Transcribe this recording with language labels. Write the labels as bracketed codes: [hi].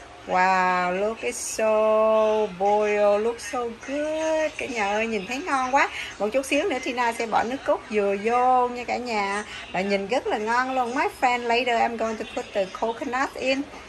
[en] Wow, look, it's so boiled, look so good. [vi] Cả nhà ơi, nhìn thấy ngon quá. Một chút xíu nữa Tina sẽ bỏ nước cốt dừa vô nha cả nhà. Là nhìn rất là ngon luôn. [en] My friend, later I'm going to put the coconut in.